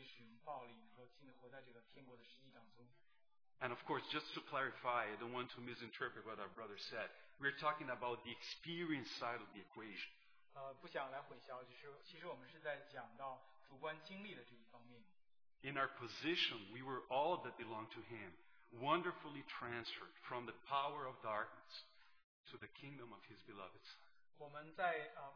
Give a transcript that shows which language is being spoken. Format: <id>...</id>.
<zh>就像刚才弟兄有分享到说，一个最重要一点就是对我们自己使用暴力，能够进入活在这个天国的实际当中。</zh> <en>And of course, just to clarify, I don't want to misinterpret what our brother said. We're talking about the experience side of the equation.</en> <zh>不想来混淆，就是其实我们是在讲到主观经历的这一方面。</zh> <en>In our position, we were all that belonged to him, wonderfully transferred from the power of darkness to the kingdom of his beloved Son.</en>